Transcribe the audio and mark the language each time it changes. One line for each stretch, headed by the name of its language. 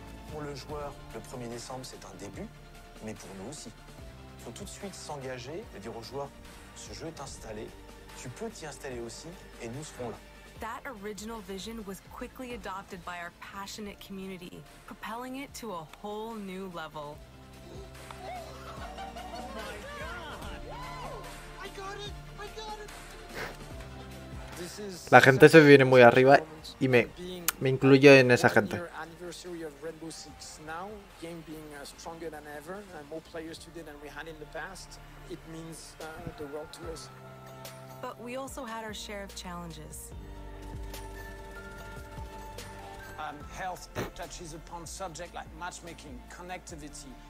French: Pour le joueur, le 1er décembre, c'est un début, mais pour nous aussi. Il faut tout de suite s'engager et dire au joueur, ce jeu est installé, tu peux t'y installer aussi, et nous serons là.
English: That original vision was quickly adopted by our passionate community, propelling it to a whole new level. Oh my god! Whoa! I got it! I got it!
Spanish: La gente se viene muy arriba y me incluyo en esa gente.
English: Anniversary of Rainbow Six now, game being stronger than ever, and more players today than we had in the past, it means the world to us. But we also had our share of challenges. Health touches upon subject like matchmaking, connectivity.